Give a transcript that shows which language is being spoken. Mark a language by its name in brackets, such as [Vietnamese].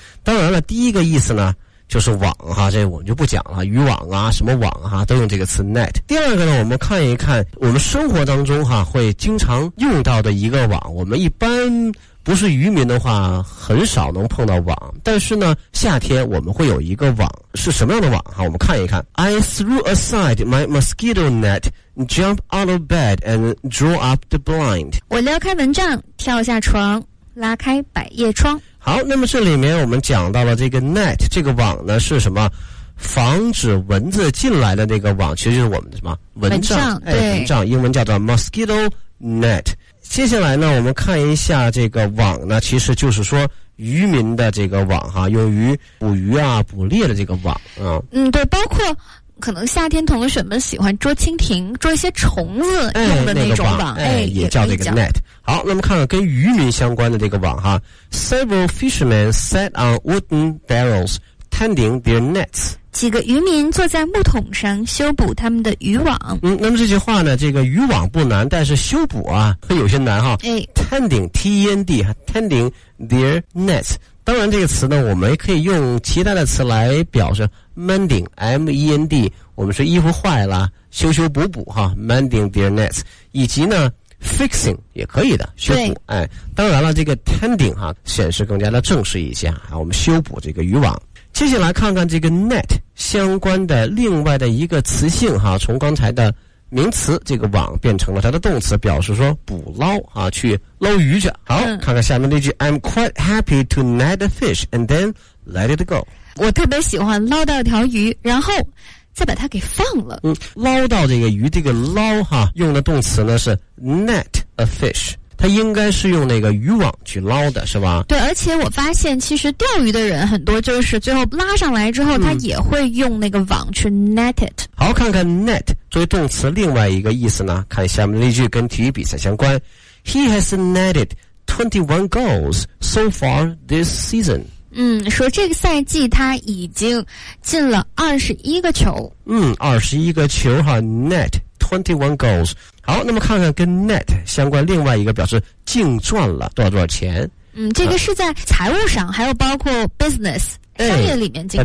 [Chinese] 当然了，第一个意思呢就是网哈，这我们就不讲了，渔网啊、什么网哈、都用这个词 net。第二个呢，我们看一看我们生活当中哈、会经常用到的一个网。我们一般不是渔民的话，很少能碰到网，但是呢，夏天我们会有一个网，是什么样的网哈、我们看一看。 [English] I threw aside my mosquito net. Jump out of bed and draw up the blind. [Chinese] 我撩开蚊帐，跳下床，拉开百叶窗。好，那么这里面我们讲到了这个 net， 这个网呢是什么？防止蚊子进来的那个网，其实就是我们的什么蚊帐？对，蚊帐，英文叫做 mosquito net。接下来呢，我们看一下这个网呢，其实就是说渔民的这个网哈，用于捕鱼啊、捕猎的这个网啊。对，包括可能夏天同学们喜欢捉蜻蜓、捉一些虫子用的那种网，也叫这个 net。好，那么看看跟渔民相关的这个网哈。 [English] Several fishermen sat on wooden barrels tending their nets。 [Chinese] 几个渔民坐在木桶上修补他们的渔网。那么这句话呢，这个渔网不难，但是修补啊会有些难哈。 [English] tending T-E-N-D tending their nets。 [Chinese] 当然这个词呢，我们可以用其他的词来表示， mending M-E-N-D， 我们说衣服坏了修修补补哈， [English] mending their nets， [Chinese] 以及呢 fixing 也可以的，修补。哎，当然了，这个 tending 哈显示更加的正式一些啊，我们修补这个渔网。接下来看看这个 net 相关的另外的一个词性哈，从刚才的名词这个网变成了它的动词，表示说捕捞啊，去捞鱼去。好，看看下面那句 [English] I'm quite happy to net a fish and then let it go。 [Chinese] 我特别喜欢捞到一条鱼然后再把它给放了。捞到这个鱼，这个捞哈、用的动词呢是 [English] net a fish， [Chinese] 他应该是用那个渔网去捞的，是吧？对，而且我发现其实钓鱼的人很多，就是最后拉上来之后他也会用那个网去 [English] net it。 [Chinese] 好，看看 net 作为动词另外一个意思呢，看下面那句跟体育比赛相关。 [English] He has netted 21 goals so far this season。 [Chinese] 说这个赛季他已经进了21个球。 21个球哈， [English] net21 goals。 [Chinese] 好，那么看看跟 net 相关另外一个表示净赚了多少多少钱。这个是在财务上、还有包括 business 商业里面经常说的。